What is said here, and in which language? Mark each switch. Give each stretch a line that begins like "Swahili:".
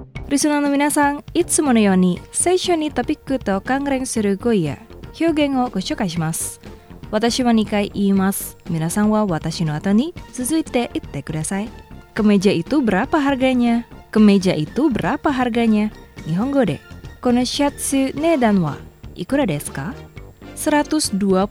Japanese: リスナーの皆さん、いつものように最初にトピックと関連する語彙や表現をご紹介します。私は2回言います。皆さんは私の後に続いて言ってください。
Indonesian: Kemeja itu berapa harganya? Kemeja itu berapa harganya?
Japanese: 日本語で、このシャツ値段はいくらですか？120.000。